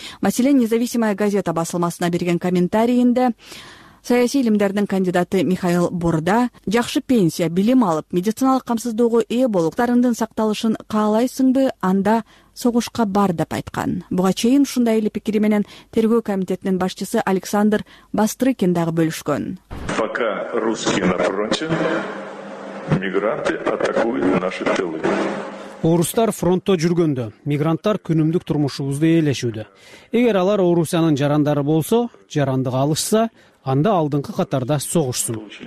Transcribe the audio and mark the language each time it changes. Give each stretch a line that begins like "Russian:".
Kyrgyz: Маселен, Независимая газета басылмасына берген комментарийинде саясий илимдердин кандидаты Михаил Борда жакшы пенсия, билим алып, медициналык камсыздоого ээ болуктарындын сакталышын каалайсыңбы, анда согушка бар деп айткан. Буга чейин ушундай эле пикири менен тергөө комитетинин башчысы Александр Бастрыкин дагы бөлүшкөн.
Russian: Пока русские на фронте, мигранты атакуют наши тылы.
Kyrgyz: Орустар фронтто жүргөндө, мигранттар күнүмдүк турмушубузду ээлешүүдө. Эгер алар Орусиянын жарандары болсо, жарандык алышса, анда алдыңкы катарда согушсун.